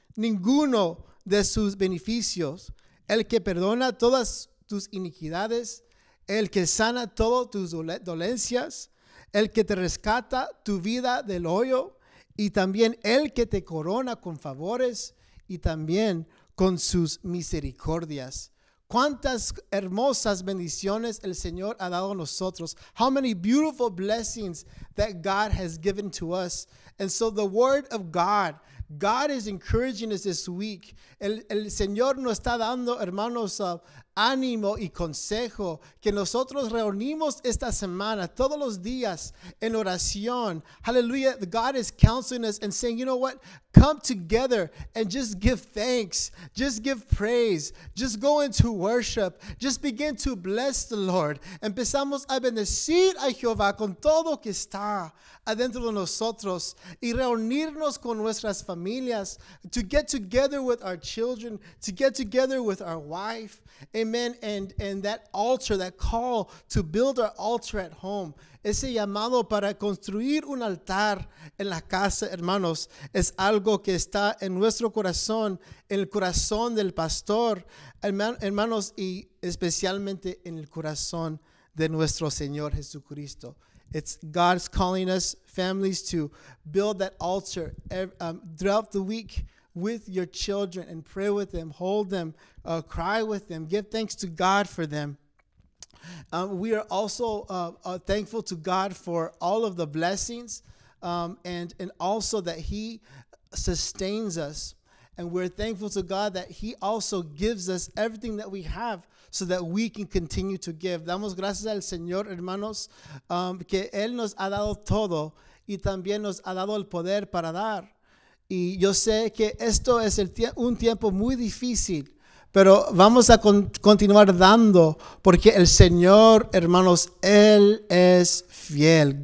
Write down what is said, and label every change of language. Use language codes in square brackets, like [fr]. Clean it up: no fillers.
[es] ninguno de sus beneficios, el que perdona todas tus iniquidades, el que sana todas tus dolencias, el que te rescata tu vida del hoyo, y también el que te corona con favores y también con sus misericordias. Cuántas hermosas bendiciones el Señor ha dado a nosotros. [en] How many beautiful blessings that God has given to us. And so the word of God, God is encouraging us this week. [es] El Señor nos está dando, hermanos, ánimo y consejo que nosotros reunimos esta semana, todos los días, en oración. [en] Hallelujah. God is counseling us and saying, you know what? Come together and just give thanks. Just give praise. Just go into worship. Just begin to bless the Lord. [es] Empezamos a bendecir a Jehová con todo que está adentro de nosotros y reunirnos con nuestras familias, [en] to get together with our children, to get together with our wife. [es] Amen. [en] And that altar, that call to build our altar at home. [es] Ese llamado para construir un altar en la casa, hermanos, es algo que está en nuestro corazón, en el corazón del pastor, hermanos, y especialmente en el corazón de nuestro Señor Jesucristo. [en] It's God's calling us, families, to build that altar throughout the week with your children and pray with them, hold them, cry with them, give thanks to God for them. We are also thankful to God for all of the blessings and also that he sustains us. And we're thankful to God that he also gives us everything that we have so that we can continue to give. [es] Damos gracias al Señor, hermanos, que él nos ha dado todo y también nos ha dado el poder para dar. Y yo sé que esto es un tiempo muy difícil. Pero vamos a continuar dando porque el Señor, hermanos, Él es fiel.